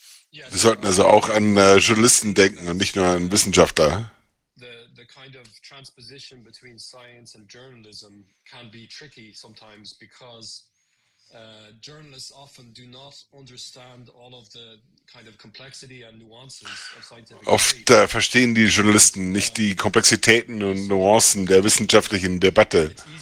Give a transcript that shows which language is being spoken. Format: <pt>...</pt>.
<de>Wir sollten also auch an Journalisten denken und nicht nur an Wissenschaftler.</de> <en>The kind of transposition between science and journalism can be tricky sometimes because journalists often do not understand all of the kind of complexity and nuances of scientific.</en> <de>Oft verstehen die Journalisten nicht die Komplexitäten und Nuancen der wissenschaftlichen Debatte.</de>